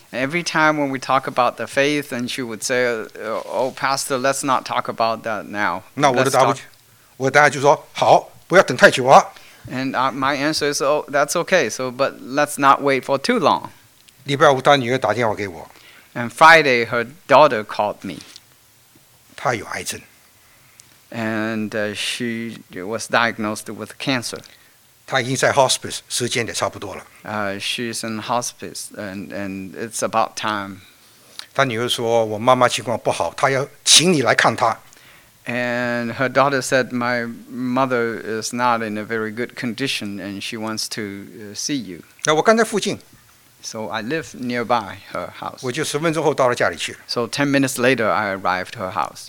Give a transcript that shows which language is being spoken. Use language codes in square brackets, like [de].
[en] Every time when we talk about the faith, and she would say, "Oh, Pastor, let's not talk about that now." [zh] 那我的答复，我答案就说好，不要等太久啊。 [en] And my answer is, "Oh, that's okay. So, but let's not wait for too long." [zh] 礼拜五，她女儿打电话给我。 [en] And Friday, her daughter called me. [zh] 她有癌症。 [en] And she was diagnosed with cancer. [zh] 他已经在 hospice 时间也差不多了。 [en] She's in hospice and it's about time. [zh] 他女儿说我妈妈情况不好，她要请你来看她。 [en] And her daughter said my mother is not in a very good condition and she wants to see you. [zh] 那我刚在附近。 [en] So I live nearby her house. [zh] 我就十分钟后到了家里去。 [en] So 10 minutes later I arrived her house.